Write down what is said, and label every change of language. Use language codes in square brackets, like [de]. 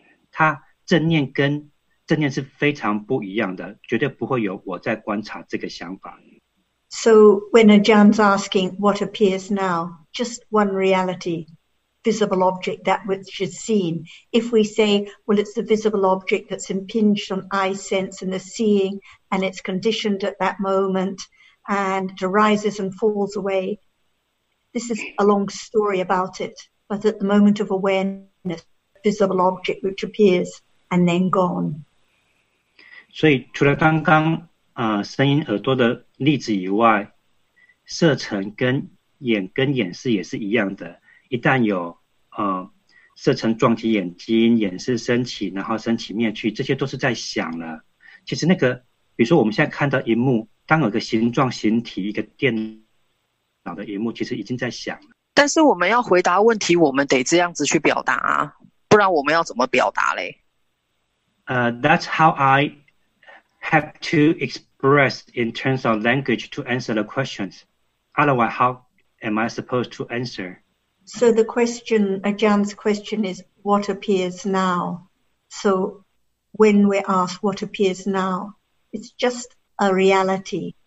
[zh] 它正念是非常不一样的，绝对不会有我在观察这个想法。 [en] So when Ajahn's asking what appears now, just one reality. Visible object, that which is seen. If we say, well, it's the visible object that's impinged on eye sense and the seeing, and it's conditioned at that moment, and it arises and falls away, this is a long story about it. But at the moment of awareness, visible object which appears and then gone. [zh] 所以除了刚刚声音耳朵的例子以外，色尘跟眼视也是一样的。一旦有色尘撞击眼睛，眼视升起，然后升起灭去，这些都是在想了。其实那个，比如说我们现在看到荧幕，当有个形状、形体，一个电脑的荧幕，其实已经在想了。但是我们要回答问题，我们得这样子去表达啊，不然我们要怎么表达嘞？ [en] That's how I have to express in terms of language to answer the questions. Otherwise, how am I supposed to answer? So the question, Ajahn's question is, what appears now? So when we're asked what appears now, it's just a reality.